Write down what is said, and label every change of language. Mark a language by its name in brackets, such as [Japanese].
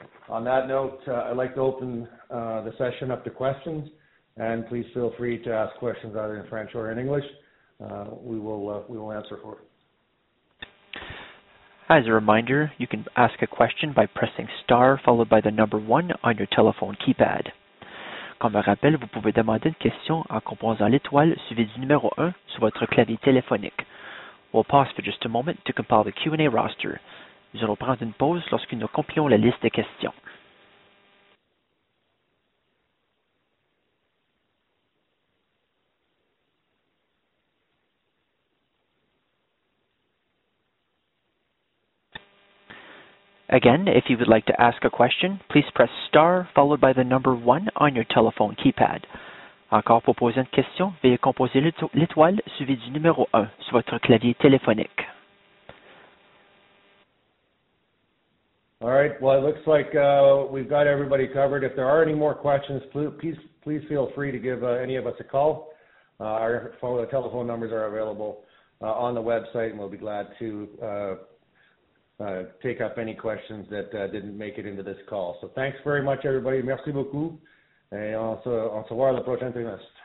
[English] On that note, I'd like to open the session up to questions, and please feel free to ask questions either in French or in English. We will answer for it. As a reminder, you can ask a question by pressing star followed by the number 1 on your telephone keypad. [French] Comme un rappel, vous pouvez demander une question en composant l'étoile suivie du numéro 1 sur votre clavier téléphonique. [English] We'll pause for just a moment to compile the Q&A roster. [French] Nous allons prendre une pause lorsque nous compilons la liste de questions. [English] Again, if you would like to ask a question, please press star followed by the number 1 on your telephone keypad. [French] Encore pour poser une question, veuillez composer l'étoile suivie du numéro 1 sur votre clavier téléphonique. [English] All right. Well, it looks like we've got everybody covered. If there are any more questions, please feel free to give any of us a call. Our phone or telephone numbers are available on the website, and we'll be glad to take up any questions that didn't make it into this call. So thanks very much, everybody. [French] Merci beaucoup. Et on se voit à la prochaine trimestre.